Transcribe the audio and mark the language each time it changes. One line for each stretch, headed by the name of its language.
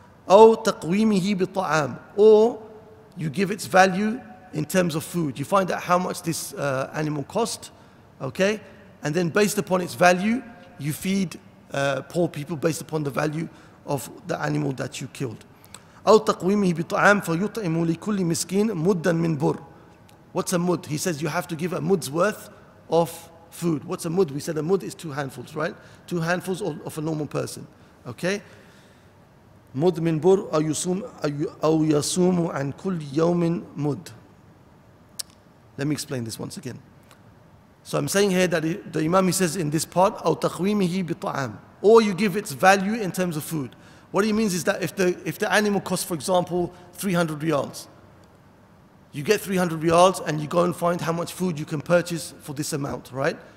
Arabic: أو تقويمه بطعام.
English: Or you give its value in terms of food. You find out how much this animal cost, okay? And then based upon its value, you feed poor people based upon the value of the animal that you killed.
Arabic: أو تقويمه بطعام فيطعم لكل مسكين مدا من بر.
English: What's a mud? He says you have to give a mud's worth of food. What's a mud? We said a mud is two handfuls, right? Two handfuls of a normal person. Okay?
Arabic: Mud min bur أو يصوم عن كل يوم مد.
English: Let me explain this once again. So I'm saying here that the imam, he says in this part,
Arabic: أو تقويمه بطعام.
English: Or you give its value in terms of food. What he means is that if the animal costs, for example, 300 riyals, you get 300 riyals and you go and find how much food you can purchase for this amount, right?